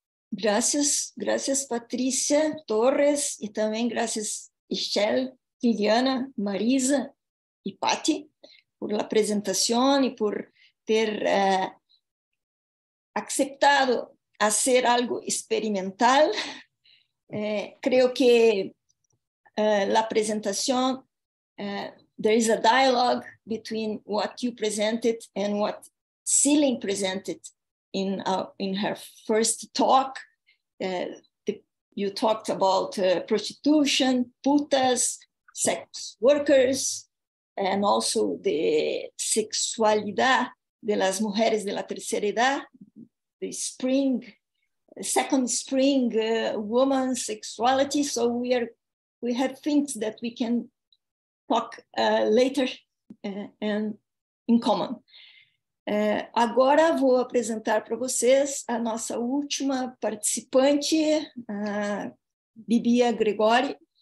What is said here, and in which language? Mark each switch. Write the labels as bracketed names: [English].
[Spanish] Gracias, gracias Patricia Torres y también gracias Michelle, Liliana, Marisa y Patti por la presentación y por haber aceptado hacer algo experimental. Creo que la presentación, [English] there is a dialogue between what you presented and what Celine presented in her first talk. You talked about prostitution, putas, sex workers, and also the [Spanish] sexualidad de las mujeres de la tercera edad, [English] the spring, second spring woman sexuality. So we have things that we can talk later and in common. [Portuguese] Agora vou apresentar para vocês a nossa última participante, a Bibia Gregori.